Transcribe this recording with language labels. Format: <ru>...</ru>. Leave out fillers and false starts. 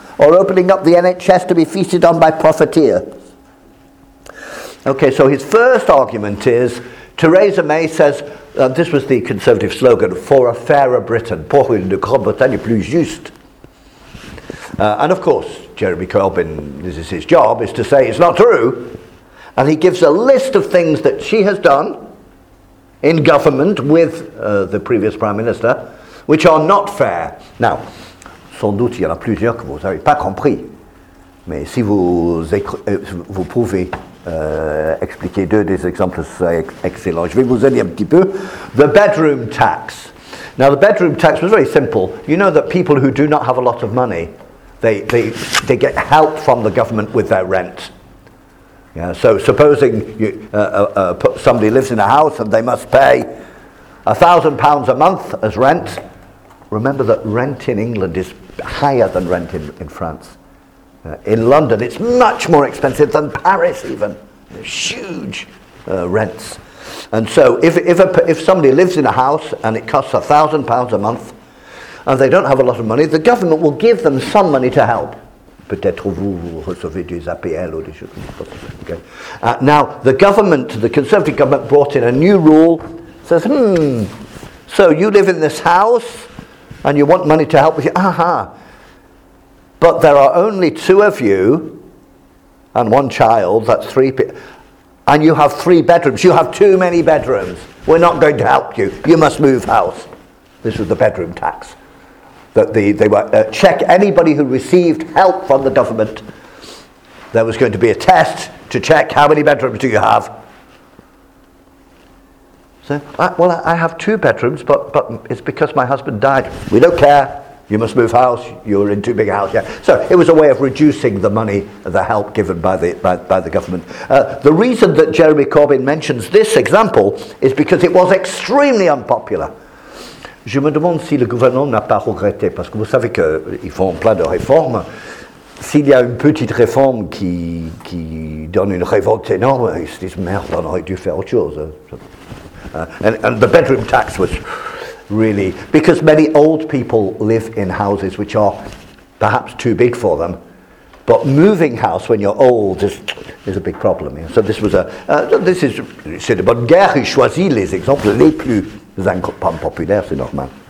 <en>Or opening up the NHS to be feasted on by profiteers? Okay, so his first argument is, Theresa May says, this was the Conservative slogan, for a fairer Britain,</en> <fr>pour une Grande Bretagne plus juste.</fr> <en>And of course, Jeremy Corbyn, this is his job, is to say it's not true. And he gives a list of things that she has done in government with the previous Prime Minister, which are not fair. Now,</en> <fr>sans doute, il y en a plusieurs que vous n'avez pas compris. Mais si vous pouvez expliquer deux des exemples, c'est excellent. Je vais vous aider un petit peu.</fr> <en>The bedroom tax. Now, the bedroom tax was very simple. You know that people who do not have a lot of money, they get help from the government with their rent. Yeah, so supposing somebody lives in a house and they must pay £1,000 a month as rent. Remember that rent in England is higher than rent in France. In London, it's much more expensive than Paris even. There's huge rents. And so if somebody lives in a house and it costs £1,000 a month and they don't have a lot of money, the government will give them some money to help.</en> <fr>Peut-être vous recevez des APL ou des choses comme ça.</fr> <en>Okay. Now, the government, the Conservative government, brought in a new rule. It says, so you live in this house and you want money to help with you. Aha. But there are only two of you and one child, that's three people. and you have three bedrooms. You have too many bedrooms. We're not going to help you. You must move house. This was the bedroom tax. That they were check anybody who received help from the government. There was going to be a test to check how many bedrooms do you have. So, I have two bedrooms, but it's because my husband died. We don't care. You must move house. You're in too big a house. Yeah. So it was a way of reducing the money, the help given by the government. The reason that Jeremy Corbyn mentions this example is because it was extremely unpopular.</en> <fr>Je me demande si le gouvernement n'a pas regretté, parce que vous savez qu'ils font plein de réformes. S'il y a une petite réforme qui donne une révolte énorme, ils se disent, merde, on aurait dû faire autre chose.</fr> <en>And the bedroom tax was really, because many old people live in houses which are perhaps too big for them. But moving house when you're old is a big problem. Yeah. So this was</en> <fr>c'est de bonne guerre, il choisit les exemples les plus impopulaire, c'est normal.</fr>